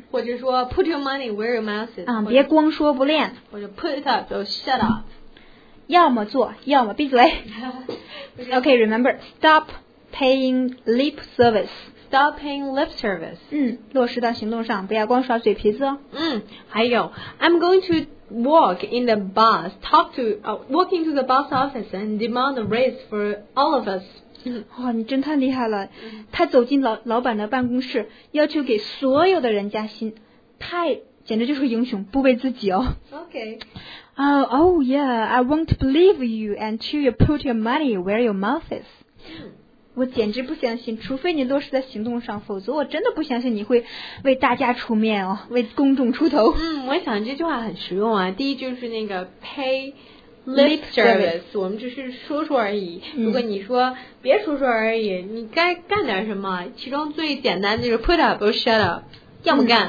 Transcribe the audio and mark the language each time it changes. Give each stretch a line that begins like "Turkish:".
English: 或者说 put your money where your mouth is、
Chinese: 别光说不练，
English: 或者 put it up or shut up，要么做要么闭嘴。 OK， remember stop paying lip service， stop paying lip service、
Chinese: 嗯、落实到行动上，不要光耍嘴皮子、哦
English: 嗯、还有 I'm going to walk in the bus talk to、walk into the bus office and demand a raise for all of us。
Chinese: 哇、哦，你真太厉害了！他走进老板的办公室，要求给所有的人加薪，太简直就是个英雄，不为自己哦。
English: Okay. Oh yeah, I won't believe you until you put your money where your mouth is.
Chinese: 我简直不相信，除非你落实在行动上，否则我真的不相信你会为大家出面哦，为公众出头。嗯，我想这句话很实用啊。第一就是那个 pay。 Lip service， 我们只是说说而已、嗯、如果你说别说说而已，你该干点什么，其中最简单就是 put up or shut up，要么干、